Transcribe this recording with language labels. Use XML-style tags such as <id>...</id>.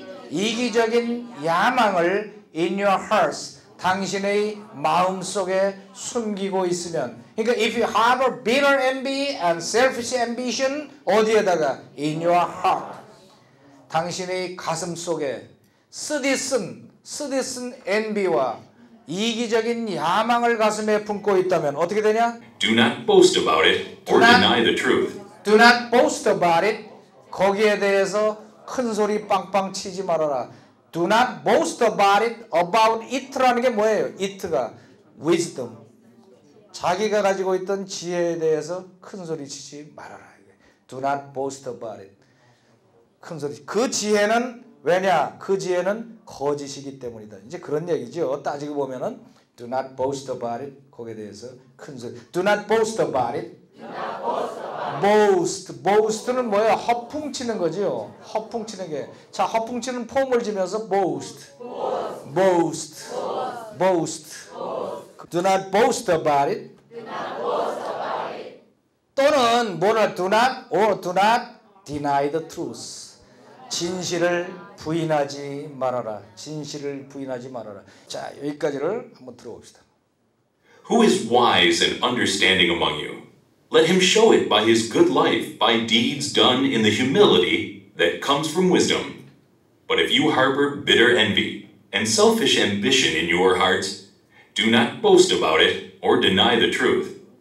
<ko>이기적인 야망을</ko> <en>in your hearts,</en> <ko>당신의 마음 속에 숨기고 있으면, 그러니까</ko> <en>if you harbor bitter envy and selfish ambition,</en> <ko>어디에다가?</ko> <en>In your heart,</en> <ko>당신의 가슴 속에 쓰디슨 envy와 이기적인 야망을 가슴에 품고 있다면 어떻게 되냐?</ko> <en>Do not boast about it or deny the truth. Do not boast about it.</en> <ko>거기에 대해서 큰 소리 빵빵 치지 말아라.</ko> <en>Do not boast about it. About it라는</en> <ko>게 뭐예요?</ko> <en>It가 wisdom.</en> <ko>자기가 가지고 있던 지혜에 대해서 큰 소리 치지 말아라.</ko> <en>Do not boast about it.</en> <ko>큰 소리. 그 지혜는 왜냐? 그 지혜는 거짓이기 때문이다. 이제 그런 얘기죠. 따지고 보면은</ko> <en>Do not boast about it.</en> <ko>거기에 대해서 큰 소리.</ko> <en>Do not boast about it. Boast.</en> <ko>Boast는 뭐예요? 허풍치는 거죠. 허풍치는 게. 자, 허풍치는 폼을 지면서 boast.</ko> <en>Boast. Boast. Boast. Do not boast about it. Do not boast about it.</en> <ko>또는 뭐나</ko> <en>do not or do not deny the truth.</en> <ko>진실을 부인하지 말아라. 진실을 부인하지 말아라. 자, 여기까지를 한번 들어봅시다.</ko> <en>Who is wise and understanding among you? Let him show it by his good life, by deeds done in the humility that comes from wisdom. But if you harbor bitter envy and selfish ambition in your heart, do not boast about it or deny the truth.</en>